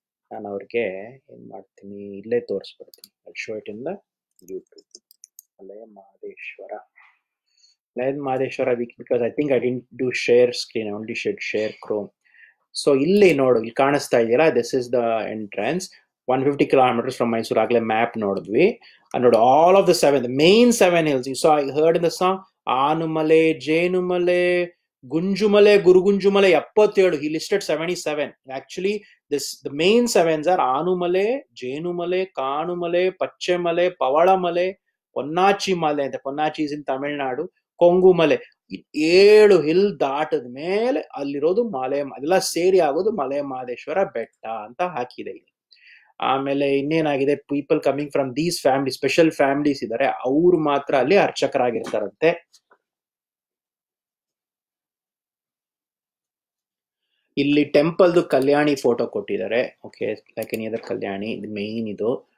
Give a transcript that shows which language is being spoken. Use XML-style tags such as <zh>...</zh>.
<kn>ನಾನು ಅವ್ರಿಗೆ ಏನ್ ಮಾಡ್ತೀನಿ ಇಲ್ಲೇ ತೋರಿಸ್ಬಿಡ್ತೀನಿ.</kn> <en>I show it in the YouTube. Male Madeshwara, Male Madeshwara wick because I think I didn't do share screen, only shed share Chrome.</en> <kn>So ಇಲ್ಲಿ ನೋಡು, ಇಲ್ಲಿ ಕಾಣಿಸ್ತಾ ಇದೆಯಲ್ಲ, this is the entrance.</kn> <en>150 kilometers from Mysore,</en> <kn>agle map nodidvi</kn> <en>and nod all of the seven, the main seven hills you saw, you heard in the song, Anumale, Jenumale, Gunjumale, Gurugunjumale, 77. He listed 77. Actually this, the main sevens are Anumale, Jenumale, Kanumale, Pachemale, Pavadamale, Ponnachimale, the Ponnachi is in Tamil Nadu, Kongumale,</en> <kn>ಏಳು hill ದಾಟದ ಮೇಲೆ ಅಲ್ಲಿರೋದು ಮಲೆ, ಅದೆಲ್ಲ ಸೇರಿ ಆಗೋದು ಮಲೆ ಮಾದೇಶ್ವರ ಬೆಟ್ಟ ಅಂತ ಹಾಕಿದೆ ಇಲ್ಲಿ. ಆಮೇಲೆ ಇನ್ನೇನಾಗಿದೆ,</kn> <en>people coming from these family,</en> <kn>special families ಇದ್ದಾರೆ, ಅವ್ರು ಮಾತ್ರ ಅಲ್ಲಿ ಅರ್ಚಕರಾಗಿರ್ತಾರಂತೆ. ಇಲ್ಲಿ ಟೆಂಪಲ್ದು ಕಲ್ಯಾಣಿ ಫೋಟೋ ಕೊಟ್ಟಿದ್ದಾರೆ. ಓಕೆ, ಲೈಕ್ ಎನಿ ಅದರ್ ಕಲ್ಯಾಣಿ ಇದು ಮೇನ್ ಇದು.</kn>